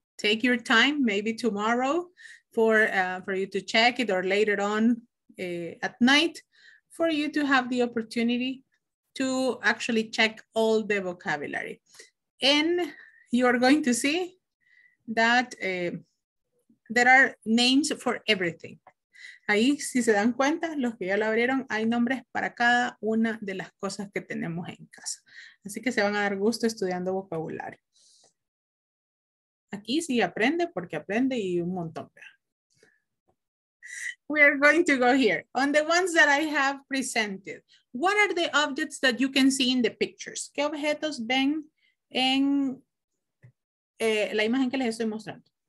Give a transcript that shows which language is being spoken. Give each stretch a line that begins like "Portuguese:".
English: Take your time, maybe tomorrow for you to check it, or later on at night for you to have the opportunity to actually check all the vocabulary. And you are going to see that there are names for everything.
Spanish: Ahí, si se dan cuenta, los que ya lo abrieron, hay nombres para cada una de las cosas que tenemos en casa. Así que se van a dar gusto estudiando vocabulario. Aquí sí aprende, porque aprende y un montón.
English: We are going to go here. On the ones that I have presented, what are the objects that you can see in the pictures?
Spanish: ¿Qué objetos ven en la imagen que les estoy mostrando?